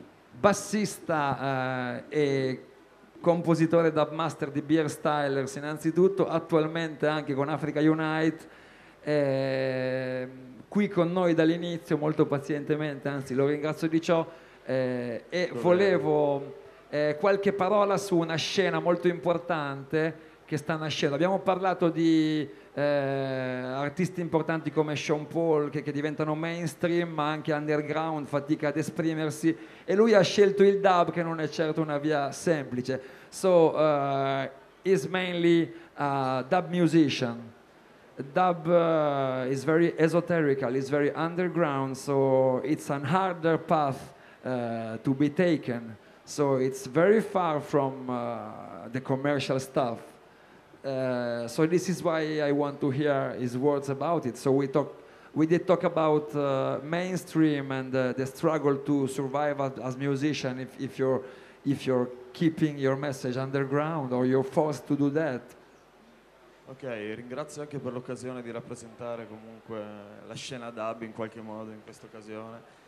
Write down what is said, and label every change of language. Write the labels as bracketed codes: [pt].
[it] Bassista e compositore da master di Beer Stylers innanzitutto, attualmente anche con Africa Unite, qui con noi dall'inizio molto pazientemente, anzi lo ringrazio di ciò, e volevo qualche parola su una scena molto importante che sta nascendo. Abbiamo parlato di artisti importanti come Sean Paul che diventano mainstream, ma anche underground fatica ad esprimersi, e lui ha scelto il dub, che non è certo una via semplice. [en] So he's mainly a dub musician. Dub is very esoterical, it's very underground, so it's a harder path to be taken. So it's very far from the commercial stuff. So this is why I want to hear his words about it. So we did talk about mainstream and the struggle to survive as musician if you're keeping your message underground or you're forced to do that. [it] Ok, ringrazio anche per l'occasione di rappresentare comunque la scena dub in qualche modo in questa occasione.